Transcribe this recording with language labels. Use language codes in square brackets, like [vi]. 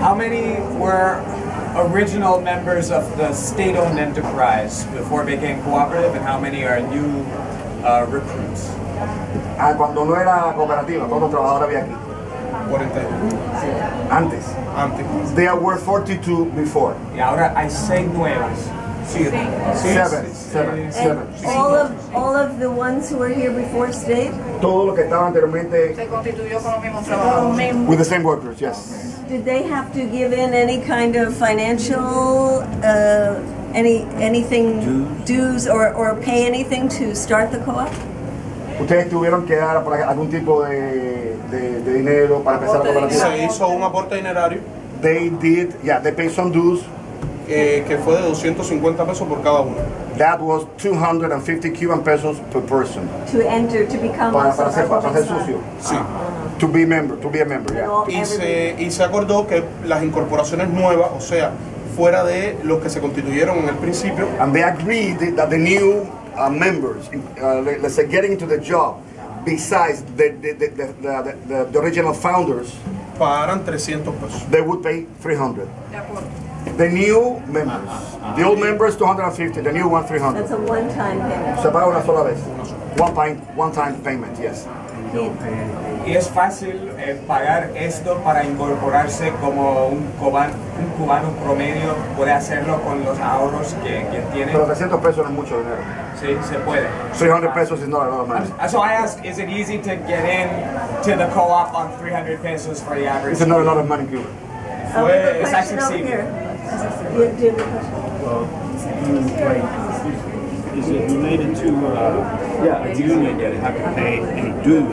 [en] How many were original members of the state-owned enterprise before became cooperative, and how many are new recruits? [es] Ah, cuando no era cooperativa, ¿cuántos trabajadores había aquí? 42. Antes. Antes. [en] There were 42 before. [es] Y ahora hay 6 nuevas. [en] Seven. All of the ones who were here before stayed? [es] Todo lo que estaba anteriormente. Se constituyó con los mismos trabajadores. [en] With the same workers, yes. Did they have to give in any kind of financial, anything, dues or pay anything to start the co-op? [es] ¿Ustedes tuvieron que dar por algún tipo de dinero para empezar la cooperativa? Se hizo un aporte dinerario. [en] They paid some dues. [es] Que fue de 250 pesos por cada uno. [en] That was 250 Cuban pesos per person. To enter, to become [es] para ser socio. Sí. [en] To be a member, yeah. [es] Y se acordó que las incorporaciones nuevas, o sea, fuera de los que se constituyeron en el principio. [en] And they agreed that the new members, let's say getting into the job, besides the original founders, [es] pagaran 300 pesos. [en] They would pay 300. [es] De acuerdo. [en] The new members. The old members, 250. The new one, 300. That's a one-time payment. [es] Se paga una sola vez. [en] One-time payment, yes. [es] ¿Y es fácil pagar esto para incorporarse como un cubano promedio puede hacerlo con los ahorros que tiene? Pero 300 pesos no es mucho dinero. Sí, se puede. [en] 300 pesos is not a lot of money. So I ask, is it easy to get in to the co-op on 300 pesos for the average? It's not a lot of money, Cuba. Is that succeeding? Is it related to a union that have to pay any dues